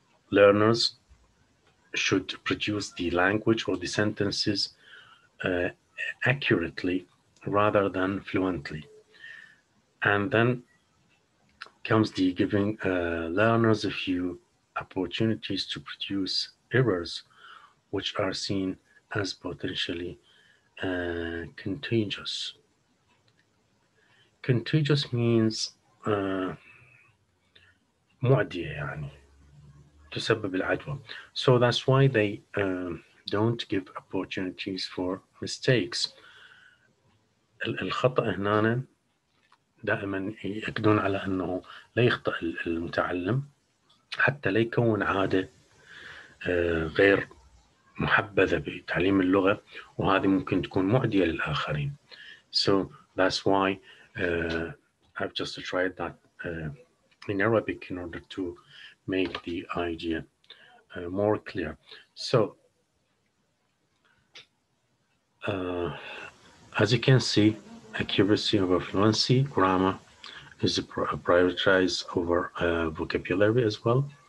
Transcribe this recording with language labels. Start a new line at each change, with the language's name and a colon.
English: Learners should produce the language or the sentences accurately rather than fluently. And then comes the giving learners a few opportunities to produce errors, which are seen as potentially contagious. Contagious means
Arabic: معدية يعني تسبب العدوى.
English: So that's why they don't give opportunities for mistakes.
Arabic: الخطأ هنا دائما يأكدون على أنه لا يخطأ المتعلم حتى لا يكون عادة غير محبذة بتعليم اللغة وهذه ممكن تكون معدية للآخرين.
English: So that's why I've just tried that in Arabic in order to make the idea more clear. So as you can see, accuracy over fluency, grammar is prioritized over vocabulary as well.